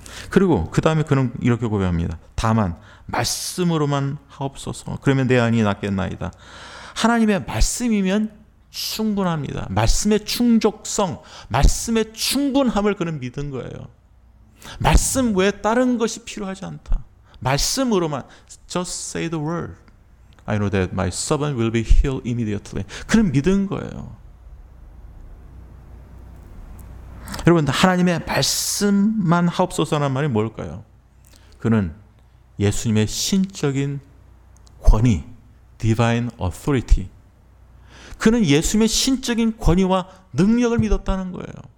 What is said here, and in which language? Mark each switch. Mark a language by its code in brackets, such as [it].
[ko] 그리고 그 다음에 그는 이렇게 고백합니다. 다만 말씀으로만 하옵소서. 그러면 내 안이 낫겠나이다. 하나님의 말씀이면 충분합니다. 말씀의 충족성, 말씀의 충분함을 그는 믿은 거예요. 말씀 외에 다른 것이 필요하지 않다. 말씀으로만 [en] Just say the word. I know that my servant will be healed immediately. [ko] 그는 믿은 거예요. 여러분, 하나님의 말씀만 하옵소서라는 말이 뭘까요? 그는 예수님의 신적인 권위, divine authority. 그는 예수님의 신적인 권위와 능력을 믿었다는 거예요.